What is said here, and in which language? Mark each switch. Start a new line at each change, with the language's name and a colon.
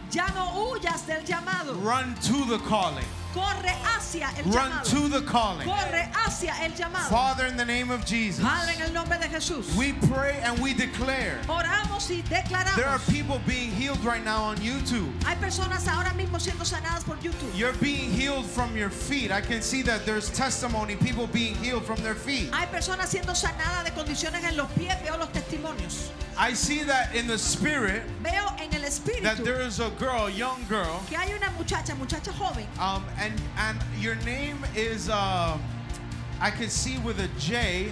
Spanish: Ya no huyas del llamado.
English: Run to the calling.
Spanish: Corre hacia el
English: Run
Spanish: llamado.
English: To the calling.
Spanish: Corre hacia el llamado.
English: Father, in the name of Jesus,
Spanish: Padre, en el nombre de Jesús,
English: we pray and we declare.
Spanish: Oramos y declaramos.
English: There are people being healed right now on YouTube.
Spanish: Hay personas ahora mismo siendo sanadas por YouTube.
English: You're being healed from your feet. I can see that there's testimony, people being healed from their feet.
Spanish: Hay personas siendo sanadas de condiciones en los pies. Veo los testimonios.
English: I see that in the spirit.
Spanish: Veo en el espíritu.
English: That there is a girl, a young girl.
Spanish: Que hay una muchacha, muchacha joven.
English: And your name is I can see with a J.